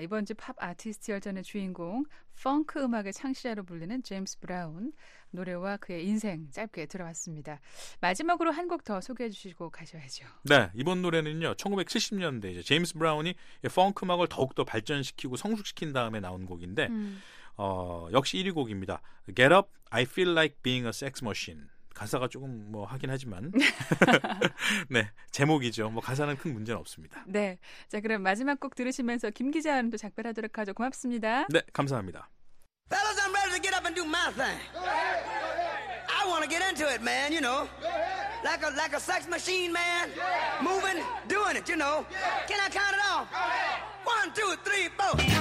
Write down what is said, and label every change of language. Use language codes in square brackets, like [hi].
[ko] 이번 주 팝 아티스트 열전의 주인공, 펑크 음악의 창시자로 불리는 제임스 브라운 노래와 그의 인생 짧게 들어봤습니다. 마지막으로 한 곡 더 소개해 주시고 가셔야죠. 네, 이번 노래는요. 1970년대 이제 제임스 브라운이 펑크 음악을 더욱더 발전시키고 성숙시킨 다음에 나온 곡인데 역시 1위 곡입니다. [en] Get up, I feel like being a sex machine. [ko] 가사가 조금 뭐 하긴 하지만 네 제목이죠. 뭐 가사는 큰 문제는 없습니다. 네, 자 그럼 마지막 곡 들으시면서 김 기자와도 작별하도록 하죠. 고맙습니다. 네, 감사합니다. [en] Fellas, I'm ready to get up and do my thing. I wanna get into it, man. You know, like a sex machine, man. Moving, doing it, you know. Can I count it off? One, two, three, four.